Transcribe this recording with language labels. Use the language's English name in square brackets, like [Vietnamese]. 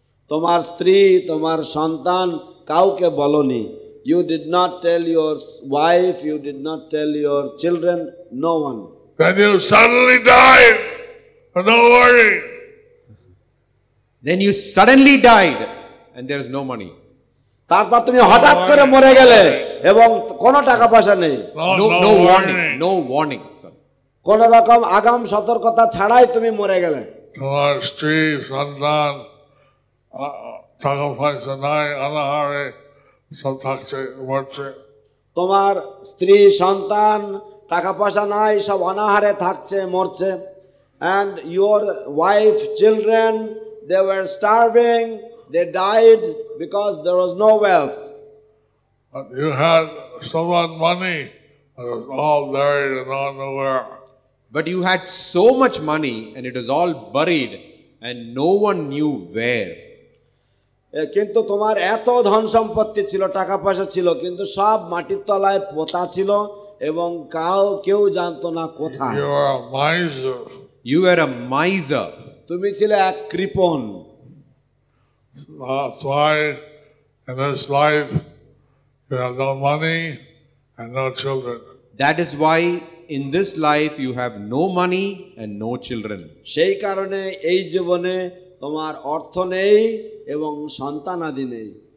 [Bangla] Tomar stri, tomar santan, kauke boloni. [English] You did not tell your wife, you did not tell your children, no one. Then you suddenly died, and no worry. Then you suddenly died, and there is no money. [Bangla] তারপর তুমি হঠাৎ করে মরে গেলে এবং কোনো টাকা পয়সা নেই, [English] no warning, no warning, [Bangla] কোন রকম আগাম সতর্কতা ছাড়াই তুমি মরে গেলে, তোমার স্ত্রী সন্তান টাকা পয়সা নাই, অনাহারে সব থাকছে, মরছে, তোমার স্ত্রী সন্তান টাকা পয়সা নাই, সব অনাহারে থাকছে, মরছে, [English] And your wife children they were starving, they died because there was no wealth. But you had so much money, it was all buried and all nowhere. But you had so much money and it was all buried and no one knew where. [Bangla] কিন্তু তোমার এত ধন সম্পত্তি ছিল, টাকা পয়সা ছিল, কিন্তু সব মাটির তলায় পোতা ছিল এবং কেউ জানতো না কোথায়। [English] You were a miser. You were a miser. [Bangla] তুমি ছিলে এক কৃপণ। [English] That's why in this life you have no money and no children. That is why in this life you have no money and no children. [Bangla] সেই কারণে এই জীবনে তোমার অর্থ নেই এবং সন্তানাদি নেই।